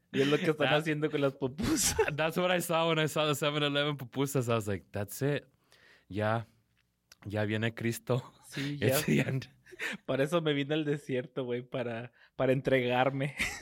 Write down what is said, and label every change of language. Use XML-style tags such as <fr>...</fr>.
<es>Y lo que están haciendo con las pupusas.</es> <en>That's what I saw when I saw the 7-Eleven pupusas. I was like, that's it.</en> <es>Yeah. Ya viene Cristo. Sí, ya.</es> <en>It's the end.</en> <es>Para eso me vine al desierto, güey, para entregarme.</es>